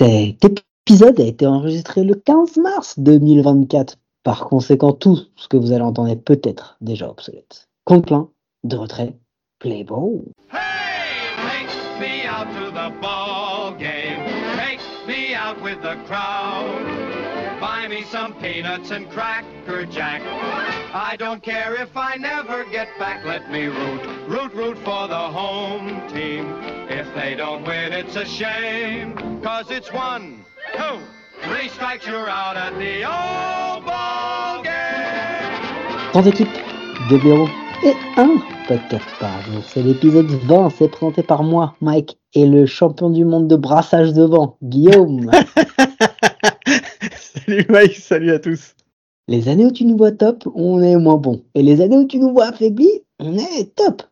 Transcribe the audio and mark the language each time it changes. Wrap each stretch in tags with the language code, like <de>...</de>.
<fr>Cet épisode a été enregistré le 15 mars 2024. Par conséquent, tout ce que vous allez entendre est peut-être déjà obsolète. Compte plein de retraits,</fr> <en>play ball. Hey, take me out to the ball game. Take me out with the crowd. Buy me some peanuts and cracker jack. I don't care if I never get back. Let me root, root, root for the home team. If they don't win, it's a shame. Cause it's one, two, three strikes, you're out at the old ball game.</en> <fr>Grande équipe, deux bureaux et un podcast par jour. C'est l'épisode 20, c'est présenté par moi, Mike, et le champion du monde de brassage de vent, Guillaume. Salut Mike, salut à tous. Les années où tu nous vois top, on est moins bon. Et les années où tu nous vois affaibli, on est top.</fr>